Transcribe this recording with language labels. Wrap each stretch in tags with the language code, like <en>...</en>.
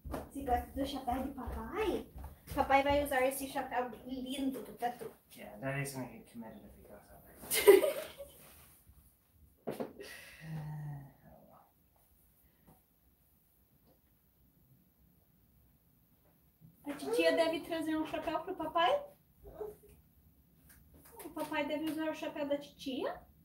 <pt>Se gosta do chapéu de papai, papai vai usar esse chapéu lindo do tatu.</pt> <en>Yeah, daddy's gonna get committed if he goes out there.</en> <pt>Tia deve trazer um chapéu pro papai? O papai deve usar o chapéu da titia?</pt>